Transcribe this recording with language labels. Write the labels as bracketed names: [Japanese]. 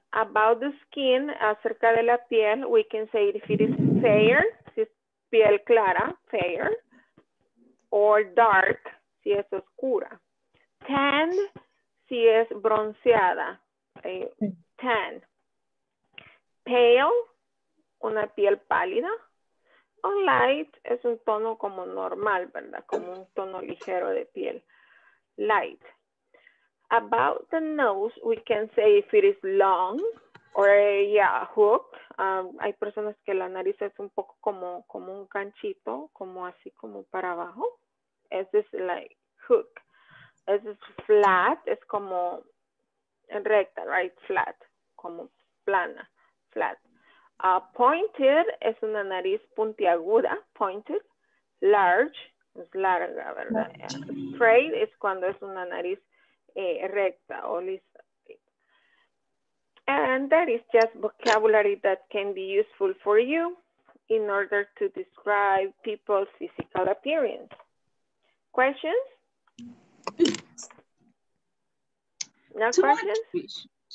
[English] About the skin, [Spanish] acerca de la piel, [English] we can say if it is fair, [Spanish] si es piel clara, [English] fair, or dark, [Spanish] si es oscura. Tan, si es bronceada, tan. Pale, una piel pálida. O light es un tono como normal, ¿verdad? Como un tono ligero de piel. Light. [English] About the nose, we can say if it is long or hooked. [Spanish] Hay personas que la nariz es un poco como un ganchito, como así como para abajo. [English] Es this like hook. Es this flat, [Spanish] es como recta, [English] right? [Spanish] Flat, como plana, flat. Pointed es una nariz puntiaguda, pointed. Large es larga, ¿verdad? Straight es cuando es una nariz recta o lisa. [English] And that is just vocabulary that can be useful for you in order to describe people's physical appearance. Questions? No too questions?